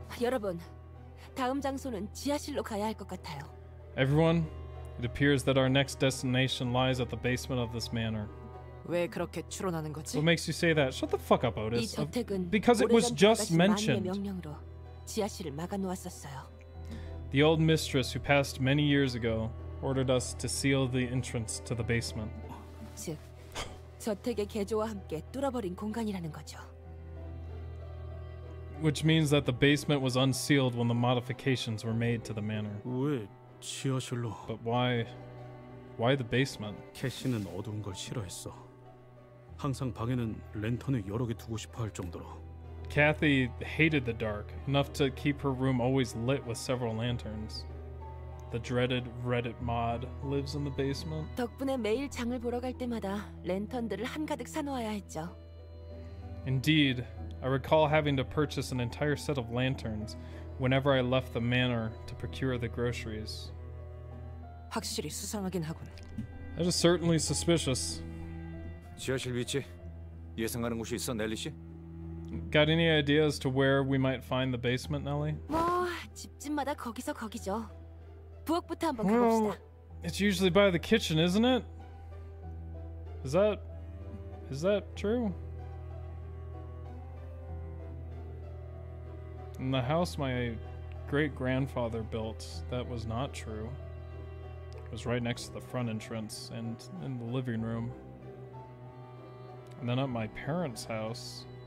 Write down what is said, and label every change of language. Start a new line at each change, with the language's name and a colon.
Korean: 여러분, 다음 장소는 지하실로 가야 할 것 같아요.
English: Everyone, it appears that our next destination lies at the basement of this manor.
Korean: 왜 그렇게 추론하는 거지?
English: What makes you say that? Shut the fuck up, Otis.
Korean: 이 저택은
English: because it was just mentioned.
Korean: 마녀의 명령으로 지하실을 막아놓았었어요.
English: The old mistress who passed many years ago ordered us to seal the entrance to the basement.
Korean: 즉, 저택의 개조와 함께 뚫어버린 공간이라는 거죠.
English: Which means that the basement was unsealed when the modifications were made to the manor.
Korean: 왜 지하실로?
English: But why? Why the basement?
Korean: 캐시는 어두운 걸 싫어했어. 항상 방에는 랜턴을 여러 개 두고 싶어 할 정도로.
English: Kathy hated the dark enough to keep her room always lit with several lanterns. The dreaded Reddit mod lives in the basement.
Korean: 덕분에 매일 장을 보러 갈 때마다 랜턴들을 한가득 사놓아야 했죠.
English: Indeed, I recall having to purchase an entire set of lanterns whenever I left the manor to procure the groceries.
Korean: 확실히 수상하긴 하군.
English: That is certainly suspicious.
Korean: 지하실 위치 예상하는 곳이 있어, 넬리 씨?
English: Got any ideas to where we might find the basement, Nelly?
Korean: 뭐 집집마다 거기서 거기죠. 부엌부터 한번 가봅시다.
English: Well, it's usually by the kitchen, isn't it? Is that true? In the house my great-grandfather built, that was not true. It was right next to the front entrance and in the living room. And then at my parents' house,